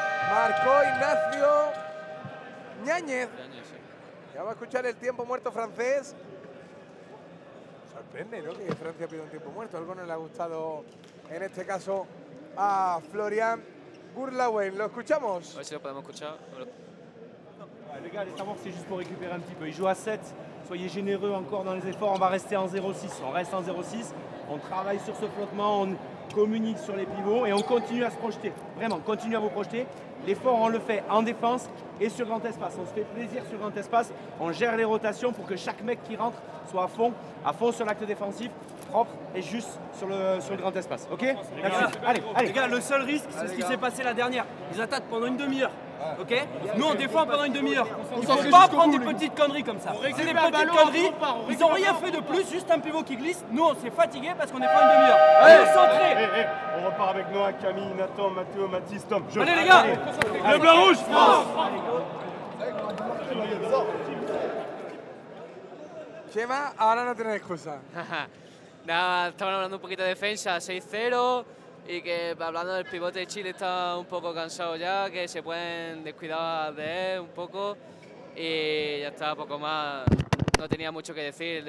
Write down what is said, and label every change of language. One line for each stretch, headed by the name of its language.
Spanish: Marcó Ignacio Ñáñez. Ya vamos a escuchar el tiempo muerto francés. Sorprende, ¿no? Que Francia pide un tiempo muerto. Algo no le ha gustado, en este caso, a Florian Gurlauen. ¿Lo escuchamos? A ver si lo podemos escuchar.
French: Les gars, les Samoans, c'est juste pour récupérer un petit peu. Ils jouent à 7. Soyez généreux encore dans les efforts. On va rester en 0-6. On reste en 0-6. On travaille sur ce flottement. On communique sur les pivots et on continue à se projeter. Vraiment, continuez à vous projeter. L'effort, on le fait en défense et sur grand espace. On se fait plaisir sur grand espace. On gère les rotations pour que chaque mec qui rentre soit à fond sur l'acte défensif. Propre et juste sur le grand espace. Ok, les gars, allez, allez. Les gars, le seul risque, c'est ce qui s'est passé la dernière. Ils attaquent pendant une demi-heure. Ok, nous on défend pendant une demi-heure. On ne peut pas prendre des petites conneries comme ça. C'est des petites conneries. Ils n'ont rien fait de plus, juste un pivot qui glisse. Nous on s'est fatigué parce qu'on est pas une demi-heure. Allez, centré. On repart avec Noah, Camille, Nathan, Mathieu, Mathis, Tom. Allez les gars, le bleu rouge.
Spanish: Chema, ahora no tienes excusa. Nada, estaban hablando un poquito de defensa, 6-0. Y que hablando del pivote de Chile, está un poco cansado ya, que se pueden descuidar de él un poco. Y ya está, poco más. No tenía mucho que decir.